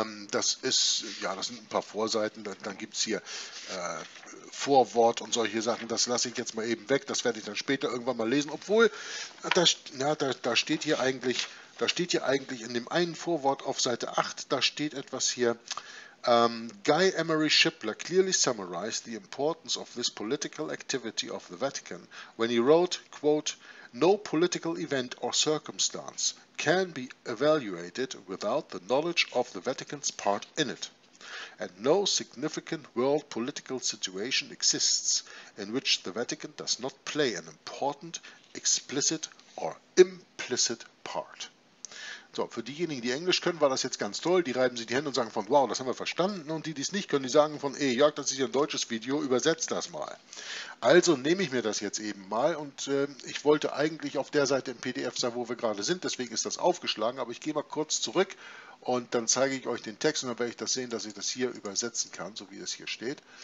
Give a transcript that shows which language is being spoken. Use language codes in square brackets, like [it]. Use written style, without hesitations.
[de] Das ist, ja, das sind ein paar Vorseiten. Dann gibt es hier Vorwort und solche Sachen. Das lasse ich jetzt mal eben weg. Das werde ich dann später irgendwann mal lesen. Obwohl, da steht hier eigentlich in dem einen Vorwort auf Seite 8, da steht etwas hier. [en] Guy Emery Shipler clearly summarized the importance of this political activity of the Vatican when he wrote, quote, no political event or circumstance can be evaluated without the knowledge of the Vatican's part in it. And no significant world political situation exists in which the Vatican does not play an important, explicit or implicit part. [de] So, für diejenigen, die Englisch können, war das jetzt ganz toll. Die reiben sich die Hände und sagen von, wow, das haben wir verstanden. Und die, die es nicht können, die sagen von, ey, Jörg, das ist ja ein deutsches Video, übersetzt das mal. Also nehme ich mir das jetzt eben mal. Und ich wollte eigentlich auf der Seite im PDF sein, wo wir gerade sind. Deswegen ist das aufgeschlagen. Aber ich gehe mal kurz zurück und dann zeige ich euch den Text. Und dann werde ich das sehen, dass ich das hier übersetzen kann, so wie es hier steht.